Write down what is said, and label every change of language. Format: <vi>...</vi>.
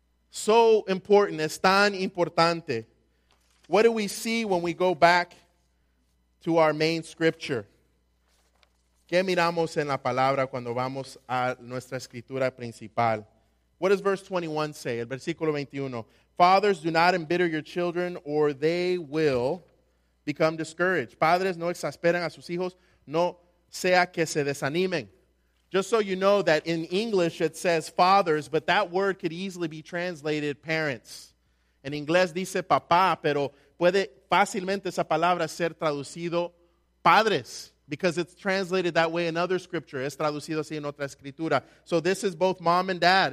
<en>So important.</en> <es>Es tan importante.</es> <en>What do we see when we go back to our main scripture?</en> <es>¿Qué miramos en la palabra cuando vamos a nuestra escritura principal?</es> <en>What does verse 21 say?</en> <es>El versículo 21.</es> <en>Fathers, do not embitter your children or they will become discouraged.</en> <es>Padres, no exasperen a sus hijos, no sea que se desanimen.</es> <en>Just so you know that in English it says fathers, but that word could easily be translated parents.</en> <es>En inglés dice papá, pero puede fácilmente esa palabra ser traducido padres,</es> <en>because it's translated that way in other scripture.</en> <es>Es traducido así en otra escritura.</es> <en>So this is both mom and dad.</en>